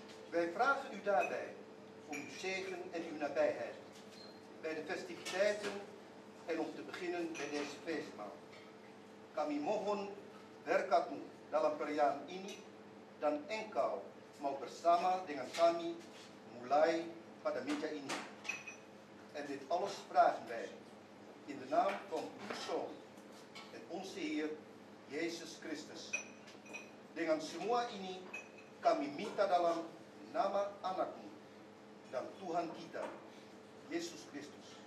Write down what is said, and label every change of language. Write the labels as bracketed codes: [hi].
[nl] Wij vragen u daarbij om uw zegen en uw nabijheid bij de festiviteiten en om te beginnen bij deze feestmaal. [id] Kami mohon berkatmu dalam perayaan ini dan engkau mau bersama dengan kami mulai pada meja ini. [nl] En dit alles vragen wij in de naam van uw Zoon en onze Heer Jezus Christus. [id] Dengan semua ini kami minta dalam nama anakmu dan Tuhan kita, Yesus Kristus.